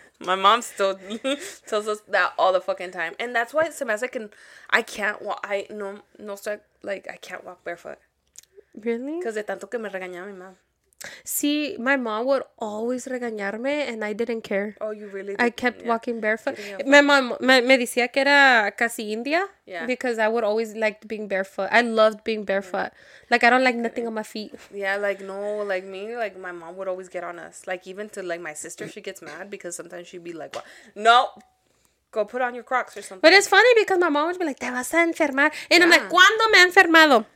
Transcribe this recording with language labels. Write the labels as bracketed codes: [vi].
[en] My mom still tells us that all the fucking time, and that's why sometimes I can't walk barefoot. Really? Because [es] de tanto que me regañaba mi mom. [en] See, my mom would always [es] regañarme, [en] and I didn't care. Oh, you really? I kept walking barefoot. My mom [es] me decía que era casi India. [en] Yeah. Because I would always like being barefoot. I loved being barefoot. Yeah. Like, I don't like nothing on my feet. Yeah, like, no, like, me, like, my mom would always get on us. Like, even to, like, my sister, she gets mad because sometimes she'd be like, no, go put on your Crocs or something. But it's funny because my mom would be like, [es] te vas a enfermar. [en] And yeah. I'm like, [es] ¿cuándo me he enfermado?